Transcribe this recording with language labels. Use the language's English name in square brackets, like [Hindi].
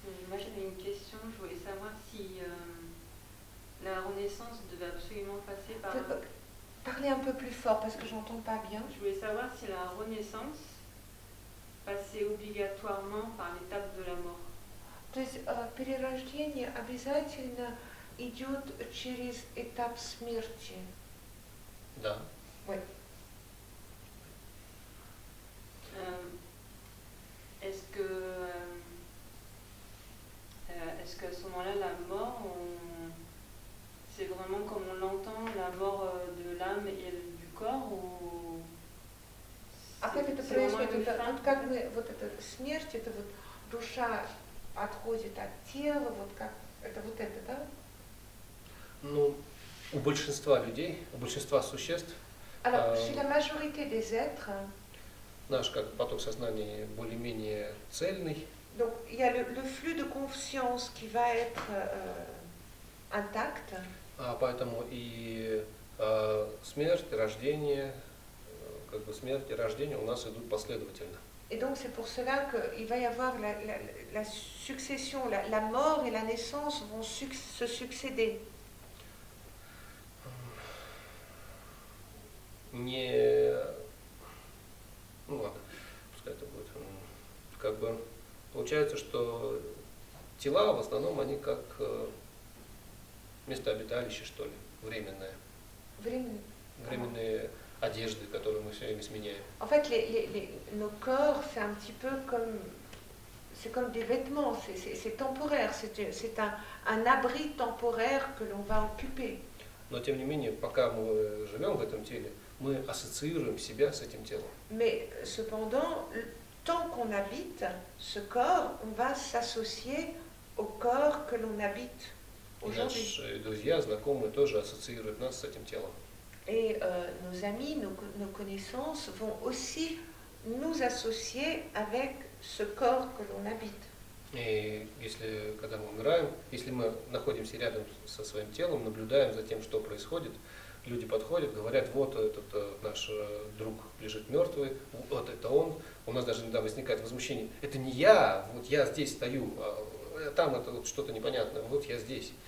[French] Moi j'avais une question, je voulais savoir si la renaissance devait absolument passer par... Parlez un peu plus fort parce que j'entends pas bien. Je voulais savoir si la renaissance passait obligatoirement par l'étape de la mort. [Russian] То есть перерождение обязательно идет через этап смерти. Да. [French] Ouais. Est-ce qu'à ce moment-là, la mort, c'est vraiment comme on l'entend, la mort de l'âme et du corps, ou [Russian] Как это [French] c'est [Russian] происходит? [French] Vraiment [Russian] Это, как мы, вот эта смерть, это вот душа отходит от тела, вот как, это вот это, да? Ну, у большинства людей, у большинства существ, [French] Alors, chez la majorité des êtres, [Russian] наш как поток сознания более-менее цельный. [French] donc il y a le flux de conscience qui va être intact. [Russian] А поэтому и смерть, рождение, как бы смерть и рождение у нас идут последовательно. [French] Et donc c'est pour cela qu'il va y avoir la succession, la mort et la naissance vont se succéder. [Russian] Не, ну ладно, пускай это будет. Как бы получается, что тела в основном они как место обиталища, что ли, временное. Время. Временные одежды, которые мы все время сменяем. [French] En fait, nos corps, c'est un petit peu comme, c'est comme des vêtements, c'est temporaire, c'est un abri temporaire que l'on va occuper. [Russian] Но тем не менее, пока мы живем в этом теле, мы ассоциируем себя с этим телом. [French] Mais cependant, tant qu'on habite ce corps, on va s'associer au corps que l'on habite [Russian] И [French] aujourd'hui. [Russian] наши друзья, знакомые тоже ассоциируют нас с этим телом. [French] Et nos amis, nos connaissances vont aussi nous associer avec ce corps que l'on habite. [Russian] И если, когда мы умираем, если мы находимся рядом со своим телом, наблюдаем за тем, что происходит, люди подходят, говорят, вот этот наш друг лежит мертвый, вот это он. У нас даже иногда возникает возмущение. Это не я, вот я здесь стою, а там это вот что-то непонятное, вот я здесь.